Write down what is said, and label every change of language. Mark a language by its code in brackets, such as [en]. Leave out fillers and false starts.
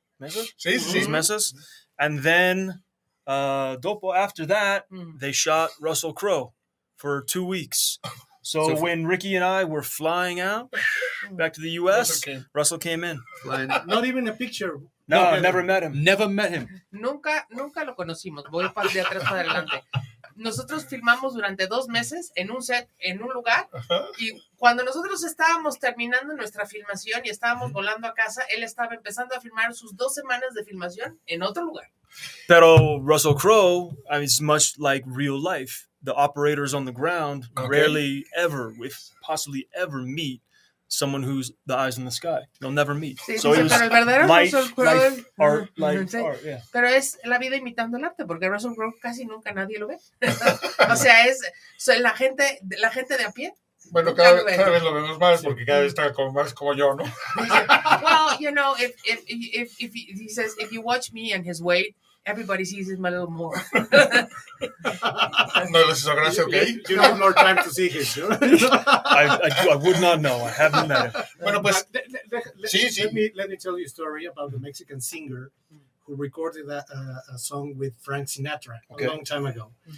[es] ¿Meses? Sí, sí. ¿Dos meses? [en] And then... after that, they shot Russell Crowe for 2 weeks. So when Ricky and I were flying out back to the U.S., Russell came in. Not even a picture. No, I never met him. Never met him. [es] Nunca lo conocimos. Voy de atrás para adelante. nosotros filmamos durante 2 meses en un set, en un lugar, y cuando nosotros estábamos terminando nuestra filmación y estábamos volando a casa, él estaba empezando a filmar sus 2 semanas de filmación en otro lugar. [en] Pero Russell Crowe, I mean, it's much like real life. The operators on the ground rarely ever, if possibly ever, meet someone who's the eyes in the sky. They'll never meet. Sí, so it's life, life, art, life, mm-hmm. art, yeah. [es] Pero es la vida imitando el arte, porque Russell Crowe casi nunca nadie lo ve. O sea, es so, la gente de a pie. Bueno, cada vez lo vemos más, sí. Porque cada vez está como más como yo, ¿no? [en] Well, you know, if he says, if you watch me and his weight, everybody sees him a little more. [es] No, les hizo gracia, ¿ok? [en] You have more time to see him. I would not know. I haven't met him. [es] Bueno, pues, [en] let me tell you a story about the Mexican singer who recorded a song with Frank Sinatra a long time ago.